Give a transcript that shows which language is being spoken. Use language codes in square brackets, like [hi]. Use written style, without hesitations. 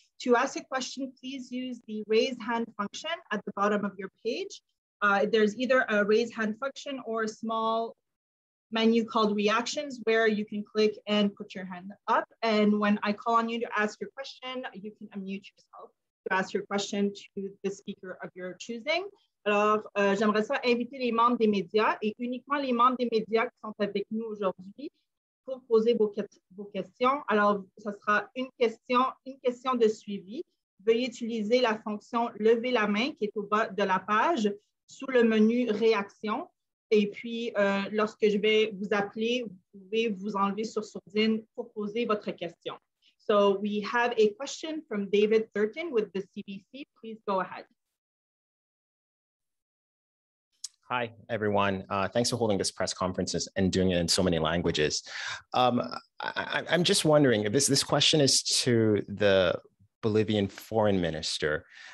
[en] To ask a question, please use the raise hand function at the bottom of your page. There's either a raise hand function or a small menu called reactions where you can click and put your hand up. And when I call on you to ask your question, you can unmute yourself. Ask your question to the speaker of your choosing. [fr] Alors, j'aimerais ça inviter les membres des médias et uniquement les membres des médias qui sont avec nous aujourd'hui pour poser vos questions. Alors, ça sera une question de suivi. Veuillez utiliser la fonction lever la main qui est au bas de la page sous le menu réaction. Et puis, lorsque je vais vous appeler, vous pouvez vous enlever sur sourdine pour poser votre question. [en] So we have a question from David Thurton with the CBC. Please go ahead. Hi, everyone. Thanks for holding this press conference and doing it in so many languages. I'm just wondering, if this question is to the Bolivian foreign minister.